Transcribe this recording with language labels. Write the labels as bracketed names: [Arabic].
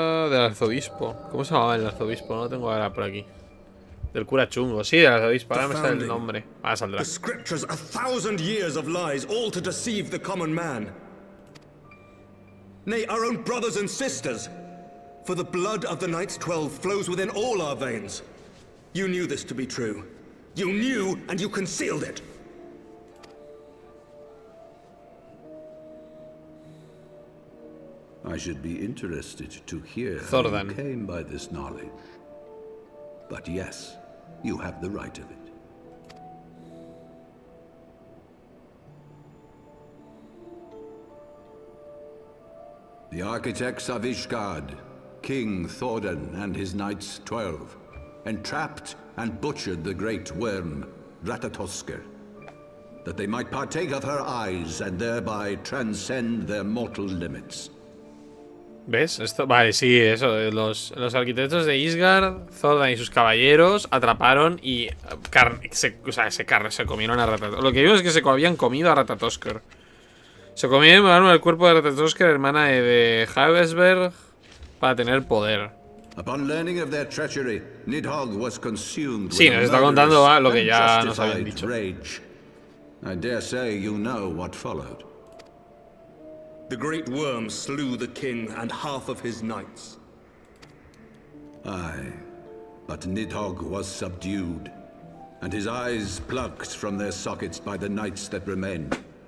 [Spanish] Del arzobispo. ¿Cómo se llamaba el arzobispo? No lo tengo ahora por aquí. Del cura chungo. Sí, del arzobispo. Ahora me sale el nombre. Ahora saldrá. [English] The scriptures, a thousand years of lies, all to deceive the common man. Nay, our own brothers and sisters. For the blood of the Knights 12 flows within all our veins. You knew this to be true. You knew and you concealed it. I should be interested to hear Thordan. You came by this knowledge. But yes, you have the right of it. The architects of Ishgard, King Thordan and his knights 12, entrapped and butchered the great worm, Ratatosker, that they might partake of her eyes and thereby transcend their mortal limits. [Spanish] ¿Ves? Esto, vale, sí, eso. Los arquitectos de Isgard, Thordan y sus caballeros atraparon y se comieron a Ratatosker. Lo que digo es que se habían comido a Ratatosker. Se comieron el cuerpo de Ratatosker, hermana de Havesberg, para tener poder. [English] Upon learning of their treachery, Nidhogg was consumed with. [Spanish] Sí, nos está contando lo que ya nos habían dicho. [English] Rage. I dare say you know what followed. The great worm slew the king and half of his knights. Aye, but Nidhogg was subdued, and his eyes plucked from their sockets by the knights that remained.